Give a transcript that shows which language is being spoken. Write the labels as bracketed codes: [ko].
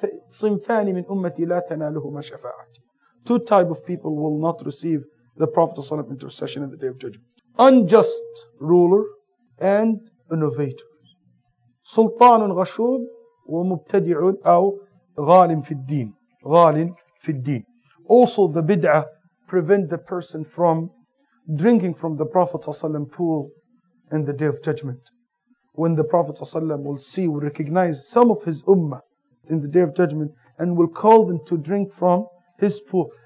[ar] صنفان من أمتي لا تنالهما شفاعتي. [en] Two type of people will not receive the Prophet ﷺ intercession in the Day of Judgment. Unjust ruler and innovator. [ar] سلطان غشوب ومبتدع أو غال في الدين. غال في الدين. [en] Also the bid'ah prevent the person from drinking from the Prophet ﷺ pool in the Day of Judgment. When the Prophet ﷺ will recognize some of his ummah in the Day of Judgment and will call them to drink from his pool.